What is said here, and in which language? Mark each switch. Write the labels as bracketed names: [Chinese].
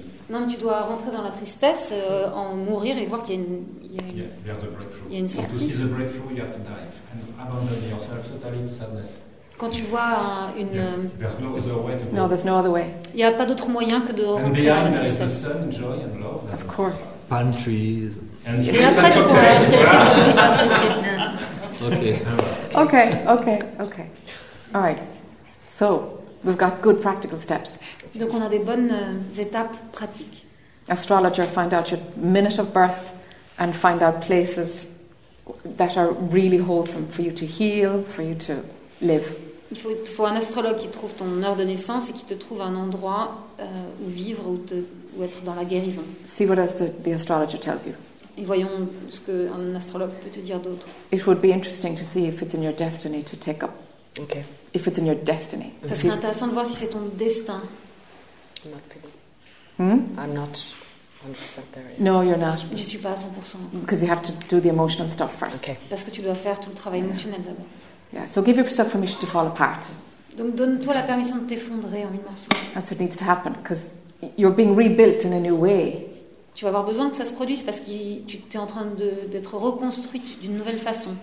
[French] Non, mais tu dois rentrer dans la tristesse, en mourir et voir qu'il y a une. Il y a une sortie. [English] To see the breakthrough, you have to dive and abandon yourself totally to sadness. [French] Quand tu vois une. [English] Yes, there's no other way to go. No, there's no other way. [French] Il n'y a pas d'autre moyen que de rentrer [English] and [French] dans la tristesse. [English] The sun, joy and love, of course. Palm trees. [French] And et après, tu pourras apprécier tout ce que tu vas apprécier. [English] Okay. All right. So we've got good practical steps. [French] Donc on a des bonnes étapes pratiques. [English] Astrologer, find out your minute of birth, and find out places that are really wholesome for you to heal, for you to live. [French] Il faut un astrologue qui trouve ton heure de naissance et qui te trouve un endroit où vivre ou être dans la guérison. [English] See what else the astrologer tells you. [French] Et voyons ce qu'un astrologue peut te dire d'autre. [English] It would be interesting to see if it's in your destiny to take up. Okay. If it's in your destiny. [French] Ça serait intéressant de voir si c'est ton destin. [English] I'm not picking. Hmm? I'm not 100% there. Yet. No, you're not. [French] Je suis pas à 100%. [English] Because you have to do the emotional stuff first. Okay. [French] Parce que tu dois faire tout le travail émotionnel d'abord. [English] Yeah. So give yourself permission to fall apart. [French] Donc donne-toi la permission de t'effondrer en mille morceaux. [English] That's what needs to happen because you're being rebuilt in a new way. [French] Tu vas avoir besoin que ça se produise parce que tu es en train d'être reconstruite d'une nouvelle façon.